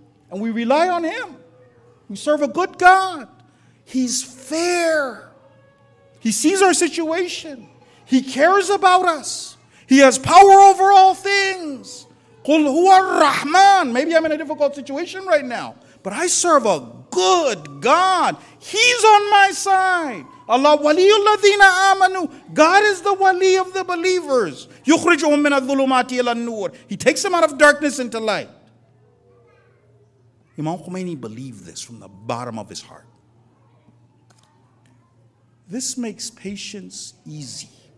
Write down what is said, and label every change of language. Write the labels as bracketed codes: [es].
[en] And we rely on Him. We serve a good God. He's fair. He sees our situation. He cares about us. He has power over all things. [ar] قُلْ هُوَ الرَّحْمَانِ. [en] Maybe I'm in a difficult situation right now, but I serve a good God. He's on my side. [ar] Allah وَلِيُّ الَّذِينَ آمَنُوا. [en] God is the wali of the believers. [ar] يُخْرِجُهُمْ مِنَ الظُّلُمَاتِ إِلَى النُّورِ. [en] He takes them out of darkness into light. Imam Khomeini believed this from the bottom of his heart. This makes patience easy.